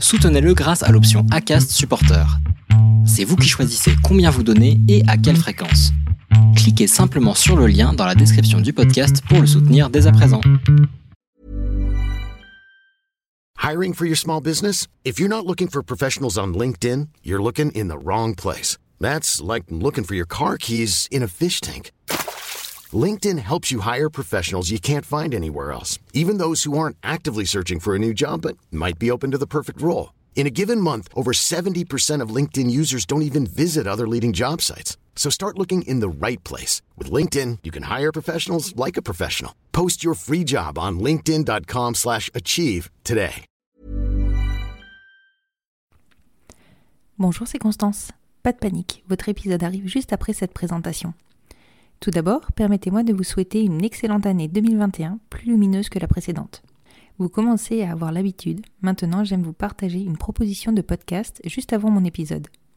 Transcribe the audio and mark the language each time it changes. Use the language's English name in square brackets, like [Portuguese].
[French] Soutenez-le grâce à l'option Acast Supporter. C'est vous qui choisissez combien vous donnez et à quelle fréquence. Cliquez simplement sur le lien dans la description du podcast pour le soutenir dès à présent. [English] Hiring for your small business? If you're not looking for professionals on LinkedIn, you're looking in the wrong place. That's like looking for your car keys in a fish tank. LinkedIn helps you hire professionals you can't find anywhere else, even those who aren't actively searching for a new job but might be open to the perfect role. In a given month, over 70% of LinkedIn users don't even visit other leading job sites. So start looking in the right place. With LinkedIn, you can hire professionals like a professional. Post your free job on linkedin.com/achieve today. [French] Bonjour, c'est Constance. Pas de panique, votre épisode arrive juste après cette présentation. Tout d'abord, permettez-moi de vous souhaiter une excellente année 2021, plus lumineuse que la précédente. Vous commencez à avoir l'habitude, maintenant j'aime vous partager une proposition de podcast juste avant mon épisode.